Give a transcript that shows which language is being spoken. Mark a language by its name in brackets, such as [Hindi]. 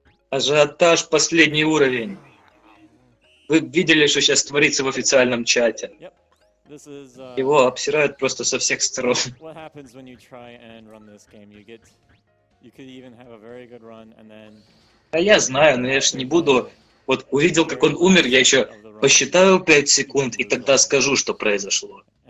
[Russian] Ажиотаж, последний уровень. Вы видели, что сейчас творится в официальном чате? Его обсирают просто со всех сторон. [English] What happens when you try and run this game? You could even have a very good run and then. [Russian] А я знаю, но я ж не буду. Вот увидел, как он умер, я еще посчитаю 5 секунд, и тогда скажу, что произошло.